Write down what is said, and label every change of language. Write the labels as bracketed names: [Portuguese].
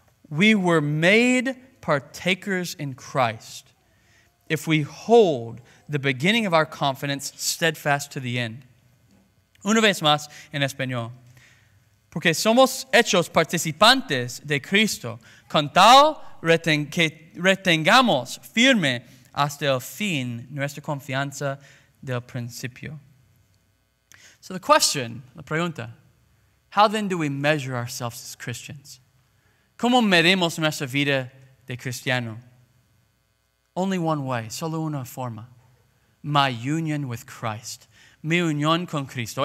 [English] We were made partakers in Christ if we hold the beginning of our confidence steadfast to the end. [Spanish] Una vez más en español. Porque somos hechos participantes de Cristo con tal que retengamos firme hasta el fin nuestra confianza del principio. [English] So the question, [Spanish] la pregunta, [English] how then do we measure ourselves as Christians? [Spanish] ¿Cómo medimos nuestra vida de cristiano? [English] Only one way, [Spanish] solo una forma. [English] My union with Christ. [Spanish] Mi unión con Cristo.